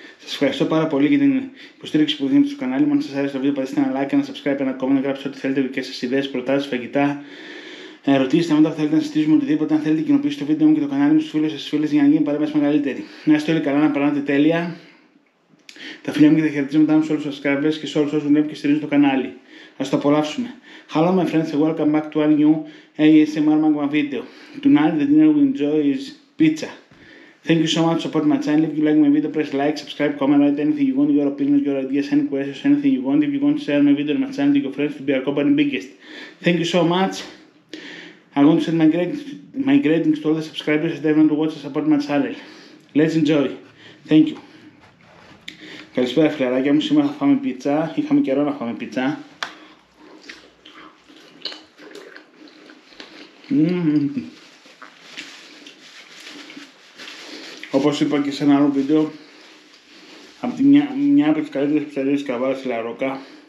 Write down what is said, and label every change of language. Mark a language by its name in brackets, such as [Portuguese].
[Greek] Σας ευχαριστώ πάρα πολύ για την υποστήριξη που δίνετε στο κανάλι μου. Αν σας αρέσει το βίντεο, πατήστε ένα like, ένα subscribe, ένα comment, να γράψετε ό,τι θέλετε, δικές σας ιδέες, προτάσεις, φαγητά. Ρωτήστε μετά αν θέλετε να συζητήσουμε οτιδήποτε. Αν θέλετε, κοινοποιήστε το βίντεο μου και το κανάλι μου στους φίλους σας, φίλες, για να γίνει παρέμβαση μεγαλύτερη. Να είστε όλοι καλά, να περνάτε τέλεια. Τα φίλια μου και τα χαιρετίσματά μου σε όλους τους ασκράβες και σε όλους όσους βλέπουν και στηρίζουν το κανάλι. [English] Ας το απολαύσουμε. Hello my friends and welcome back to a new ASMR Magma video. Tonight the dinner we enjoy is pizza. Thank you so much for supporting my channel. If you like my video, press like, subscribe, comment, write anything you want, your opinions, your ideas, any questions, anything you want. If you want to share my video on my channel, your friends to be our company biggest. Thank you so much. I want to send my greetings to all the subscribers that want to watch and support my channel. Let's enjoy. Thank you. [Greek] Καλησπέρα φιλαράκια μου, σήμερα θα φάμε πίτσα, είχαμε καιρό να φάμε πίτσα. Όπως είπα και σε ένα άλλο βίντεο, από τη μια από τις καλύτερες πιτσαρίες Καβάλας στη Λαρόκα.